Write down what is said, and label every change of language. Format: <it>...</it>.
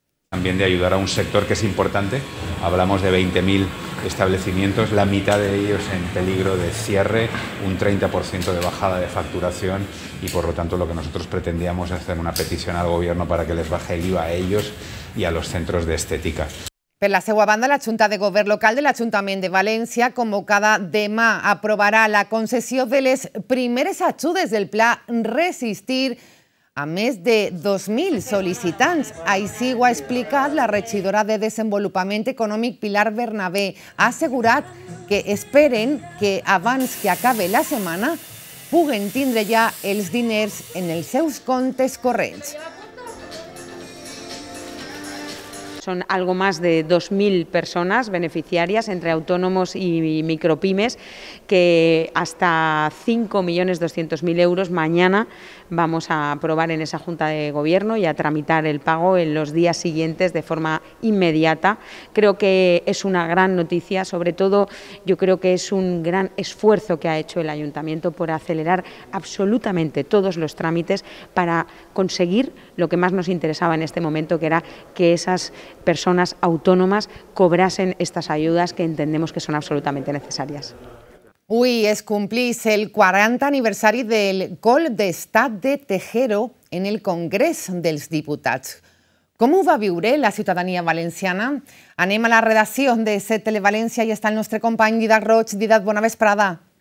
<es>También de ayudar a un sector que es importante, hablamos de 20.000 establecimientos, la mitad de ellos en peligro de cierre, un 30% de bajada de facturación y por lo tanto lo que nosotros pretendíamos es hacer una petición al gobierno para que les baje el IVA a ellos y a los centros de estética.</es> <ca>Per la seva banda, la Junta de Govern Local de l'Ajuntament de València, convocada demà, aprovarà la concessió de les primeres ajudes del Pla Resistir a més de 2.000 sol·licitants. Així ho ha explicat la regidora de Desenvolupament Econòmic, Pilar Bernabé. Ha assegurat que esperen que abans que acabi la setmana puguen tindre ja els diners en els seus comptes corrents.</ca> <es>Son algo más de 2.000 personas beneficiarias entre autónomos y micropymes que hasta 5.200.000 euros mañana vamos a aprobar en esa Junta de Gobierno y a tramitar el pago en los días siguientes de forma inmediata. Creo que es una gran noticia, sobre todo yo creo que es un gran esfuerzo que ha hecho el Ayuntamiento por acelerar absolutamente todos los trámites para conseguir lo que más nos interesaba en este momento, que era que esas personas autónomas cobrasen estas ayudas que entendemos que son absolutamente necesarias.</es> <ca>Ui, es complís el 40 aniversari del Col d'Estat de Tejero en el Congrés dels Diputats. Com ho va viure la ciutadania valenciana? Anem a la redacció de CET Televalència i està el nostre company Didac Roig. Didac, bona vesprada.</ca>